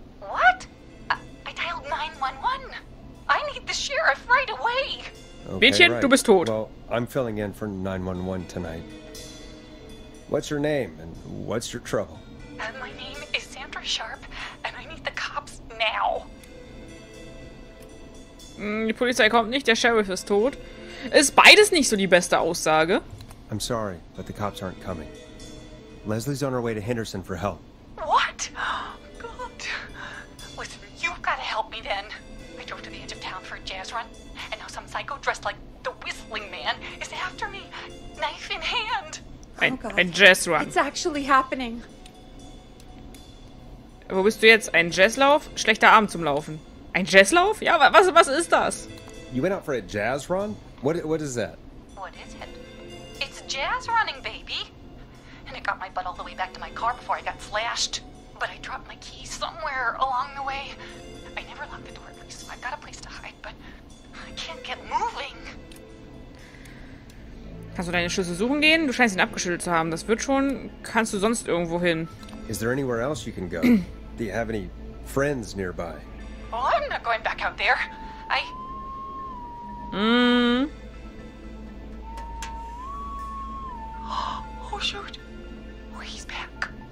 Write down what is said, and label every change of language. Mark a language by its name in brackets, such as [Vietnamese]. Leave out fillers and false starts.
[English] What? I dialed 911. I need the sheriff right away. [German] Mädchen, du bist tot. [English] Well, I'm filling in for 911 tonight. What's your name and what's your trouble? My name is Sandra Sharp and I need the cops now. [German] Die Polizei kommt nicht, der Sheriff ist tot. Ist beides nicht so die beste Aussage. [English] I'm sorry, but the cops aren't coming. Leslie's on her way to Henderson for help. What? Oh, God. Listen, you've got to help me then. I drove to the edge of town for a jazz run and now some psycho dressed like the Whistling Man is after me, knife in hand. [German] Ein Jazzrun. [English] It's actually happening. [German] Wo bist du jetzt? Ein Jazzlauf? Schlechter Abend zum Laufen. Ein Jazzlauf? Ja, was ist das? [English] You went out for a jazz run? What is that? What is it? It's jazz running, baby. And it got my butt all the way back to my car before I got slashed. But I dropped my keys somewhere along the way. I never locked the door, so I've got a place to hide, but I can't get moving. [German] Kannst du deine Schlüssel suchen gehen? Du scheinst ihn abgeschüttelt zu haben. Das wird schon. Kannst du sonst irgendwo hin? [English] Is there anywhere else you can go? Do you have any friends nearby? Well, I'm not going back out there. I... Oh, shoot. Oh, he's back.